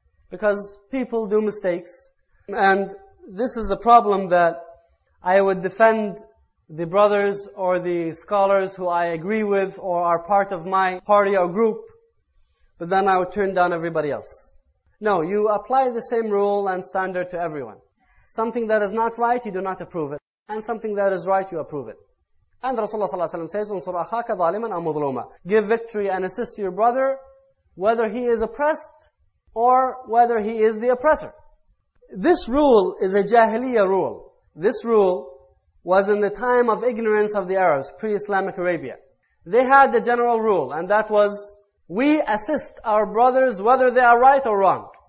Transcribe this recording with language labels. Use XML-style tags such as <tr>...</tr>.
<en>Because people do mistakes, and this is a problem that I would defend the brothers or the scholars who I agree with or are part of my party or group, but then I would turn down everybody else. No, you apply the same rule and standard to everyone. Something that is not right, you do not approve it. And something that is right, you approve it. And Rasulullah</en> <ar>صلى الله عليه وسلم says, وَنصُرْ أَخَاكَ ظَالِمًا أَمْ مُظْلُومًا.</ar> <en>Give victory and assist your brother, whether he is oppressed or whether he is the oppressor. This rule is a jahiliyyah rule. This rule was in the time of ignorance of the Arabs, pre-Islamic Arabia. They had the general rule, and that was, we assist our brothers whether they are right or wrong.</en>